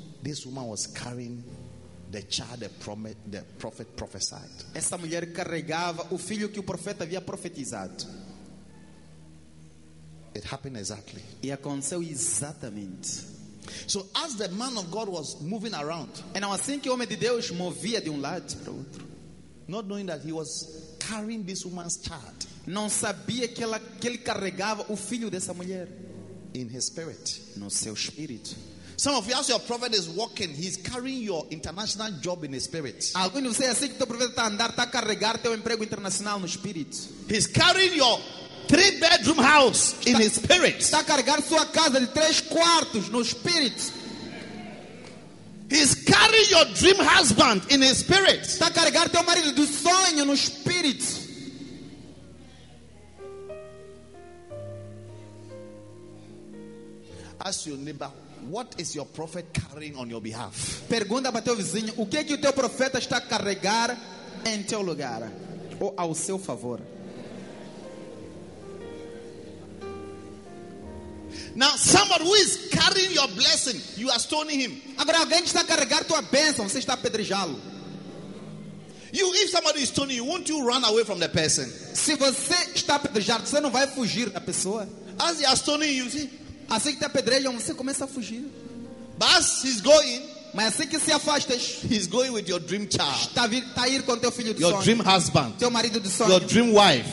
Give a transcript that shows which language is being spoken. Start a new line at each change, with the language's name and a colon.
English: This woman was carrying the child the prophet prophesied.
Portuguese: Essa mulher carregava o filho que o profeta havia profetizado.
English: It happened exactly.
Portuguese: E aconteceu exatamente.
English: So as the man of God was moving around,
Portuguese: and assim que o homem de Deus movia de lado para outro,
English: not knowing that he was carrying this woman's child,
Portuguese: não sabia que ele carregava o filho dessa mulher.
English: In his spirit,
Portuguese: no seu espírito.
English: Some of you, as your prophet is walking, he's carrying your international job in his spirit.
Portuguese: Alguns dizem assim que o teu profeta está andar, está carregar teu emprego internacional no espírito.
English: He's carrying your 3-bedroom house in his spirit.
Portuguese: Está carregar sua casa de 3 quartos no espírito.
English: He's carrying your dream husband in his spirit.
Portuguese: Está carregar teu marido do sonho no espírito.
English: Ask your neighbor, what is your prophet carrying on your behalf?
Portuguese: Pergunta para teu vizinho, o que o teu profeta está a carregar em teu lugar ou ao seu favor?
English: Now, somebody who is carrying your blessing, you are stoning him.
Portuguese: Agora alguém está a carregar tua bênção, você está a apedrejá-lo.
English: You, if somebody is stoning you, won't you run away from the person?
Portuguese: Se você está a apedrejar, você não vai fugir da pessoa?
English: As they are stoning you, see?
Portuguese: Assim que te apedrejam, você começa a fugir.
English: But as he's going,
Portuguese: Mas assim que se afastas,
English: he's going with your dream child.
Portuguese: Está ir com teu filho de
English: your
Portuguese: sonho.
English: Dream husband.
Portuguese: Teu marido de sonho.
English: Your dream wife.